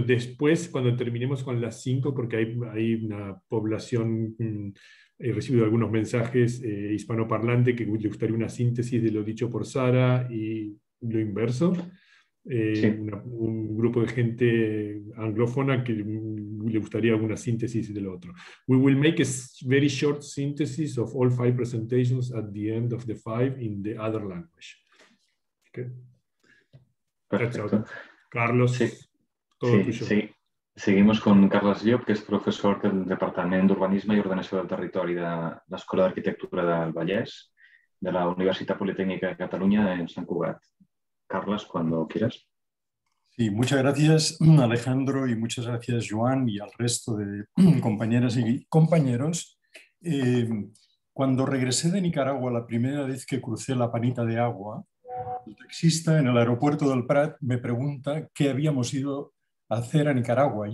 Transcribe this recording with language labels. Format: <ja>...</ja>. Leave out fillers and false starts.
<es>Después, cuando terminemos con las 5, porque hay una población... He recibido algunos mensajes hispanoparlante que le gustaría una síntesis de lo dicho por Sara y lo inverso. Sí. Un grupo de gente anglófona que le gustaría una síntesis de lo otro.</es> <en>We will make a very short synthesis of all 5 presentations at the end of the 5 in the other language. Okay.</en> <es>Carlos, sí. Todo sí, tuyo. Sí.</es> <ca>Seguimos con Carles Llop, que és professor del Departament d'Urbanisme i Ordenació del Territori de l'Escola d'Arquitectura del Vallès de la Universitat Politécnica de Catalunya en Sant Cugat.</ca> <es>Carles, cuando quieras. Sí, muchas gracias, Alejandro, y muchas gracias, Joan, y al resto de compañeras y compañeros. Cuando regresé de Nicaragua la primera vez que crucé la panita de agua, el taxista en el aeropuerto del Prat me pregunta qué habíamos ido hacer a Nicaragua.</es>